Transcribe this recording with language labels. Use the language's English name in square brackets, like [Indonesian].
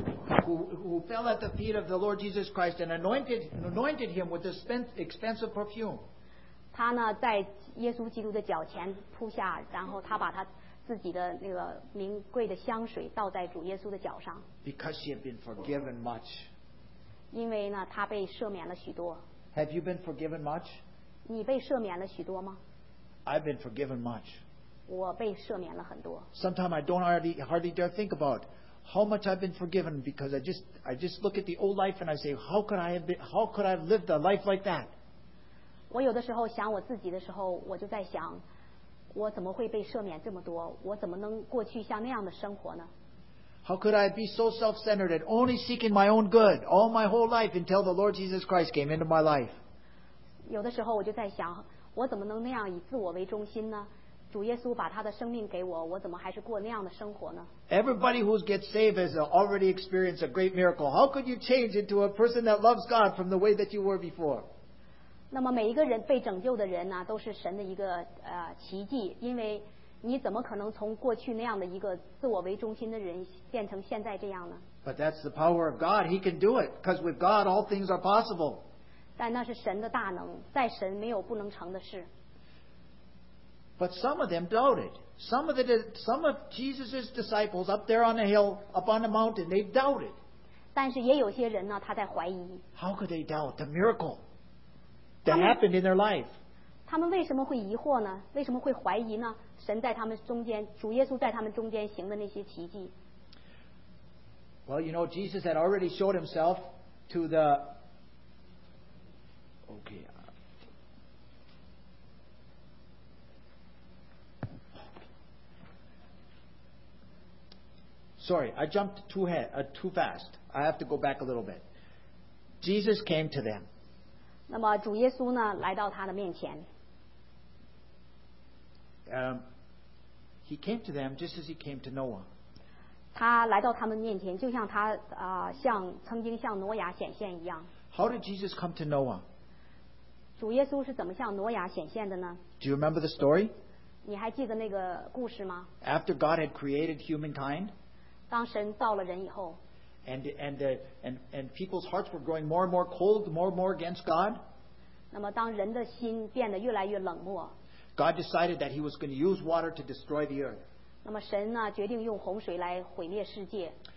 [English] Who fell at the feet of the Lord Jesus Christ and anointed him with expensive perfume. [Chinese] 他呢在耶稣基督的脚前扑下，然后他把他自己的那个名贵的香水倒在主耶稣的脚上。 [English] Because she had been forgiven much. [Chinese] 因为呢，他被赦免了许多。 [English] Have you been forgiven much? [Chinese] 你被赦免了许多吗 [English] ？I've been forgiven much. [Chinese] 我被赦免了很多。 [English] Sometimes I don't hardly dare think about how much I've been forgiven because I just look at the old life and I say, how could I have lived a life like that? [Chinese] 我有的时候想我自己的时候，我就在想，我怎么会被赦免这么多？我怎么能过去像那样的生活呢？ [English] How could I be so self-centered and only seeking my own good all my whole life until the Lord Jesus Christ came into my life? [Chinese] 有的时候我就在想，我怎么能那样以自我为中心呢？主耶稣把他的生命给我，我怎么还是过那样的生活呢？ [English] Everybody who gets saved has already experienced a great miracle. How could you change into a person that loves God from the way that you were before? [Chinese] 那么每一个人被拯救的人呢，都是神的一个奇迹，因为。你怎么可能从过去那样的一个自我为中心的人变成现在这样呢？ [English] But that's the power of God. He can do it. Because with God, all things are possible. [Chinese] 但那是神的大能，在神没有不能成的事。 [English] But some of them doubted. Some of Jesus' disciples up there on the hill, up on the mountain, they doubted. [Chinese] 但是也有些人呢，他在怀疑。 [English] How could they doubt the miracle that happened in their life? [Chinese] 他们为什么会疑惑呢？为什么会怀疑呢？神在他们中间，主耶稣在他们中间行的那些奇迹。 [English] Well, you know, Jesus had already showed himself to the. Okay. Sorry, I jumped too fast. I have to go back a little bit. Jesus came to them. [Chinese] 那么主耶稣呢，来到他的面前。 [English] He came to them just as he came to Noah. [Chinese] 他来到他们面前，就像他像曾经向挪亚显现一样。 [English] How did Jesus come to Noah? [Chinese] 主耶稣是怎么向挪亚显现的呢？ [English] Do you remember the story? [Chinese] 你还记得那个故事吗？ [English] After God had created humankind. [Chinese] 当神造了人以后。 [English] And people's hearts were growing more and more cold, more and more against God. [Chinese] 那么当人的心变得越来越冷漠。 [English] God decided that he was going to use water to destroy the earth. [Chinese] 那么神呢，决定用洪水来毁灭世界。